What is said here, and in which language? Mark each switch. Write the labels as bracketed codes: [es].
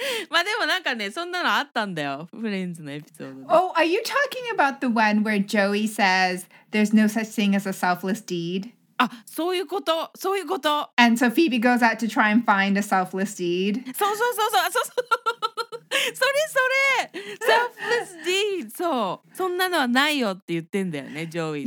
[ja] まあでもなんかね、そんなのあったんだよ、フレンズのエピソード。 [en] Oh, are you talking about the one where Joey says there's no such thing as a selfless deed? [ja] あ、そういうこと、そういうこと。 [en] And so Phoebe goes out to try and find a selfless deed. [ja] そうそうそうそう、そうそう。それそれ、 [en] selfless deed。 [ja] そう、そんなのはないよって言ってんだよね、Joey。